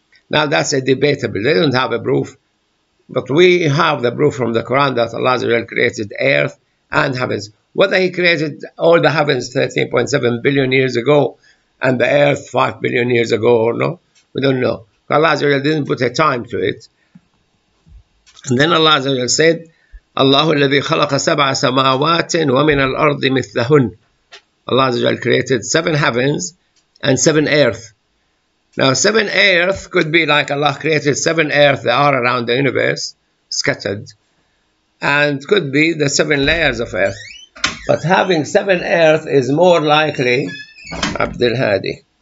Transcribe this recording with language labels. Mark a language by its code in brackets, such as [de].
[en] Now that's a debatable, they don't have a proof, but we have the proof from the Quran that Allah created earth and heavens. Whether he created all the heavens 13.7 billion years ago and the earth 5 billion years ago or no, we don't know. Allah didn't put a time to it. And then Allah said, [ar] Allahu الذي خلق سبع سماوات ومن الأرض مثلهن. [en] Allah created seven heavens and seven earth. Now, seven earth could be like Allah created seven earth that are around the universe, scattered, and could be the seven layers of earth. But having seven earth is more likely, Abdul Hadi.